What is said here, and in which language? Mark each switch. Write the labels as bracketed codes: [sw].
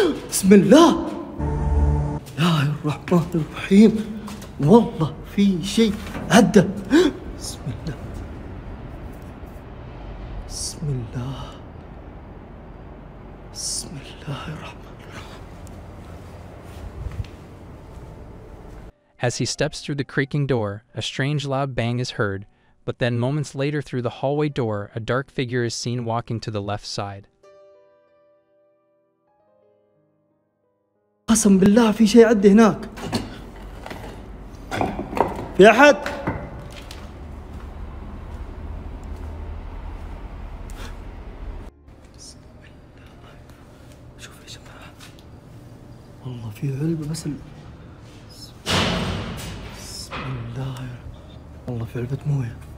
[ar] بسم الله الرحمن الرحيم والله في شيء هدى. بسم الله بسم الله بسم الله الرحمن الرحيم. [en] As he steps through the creaking door, a strange loud bang is heard, but then moments later through the hallway door, a dark figure is seen walking to the left side. [ar] قسم بالله في شيء عدى هناك. في أحد؟ شوف يا جماعة والله في علبة بس بسم الله والله في علبة موية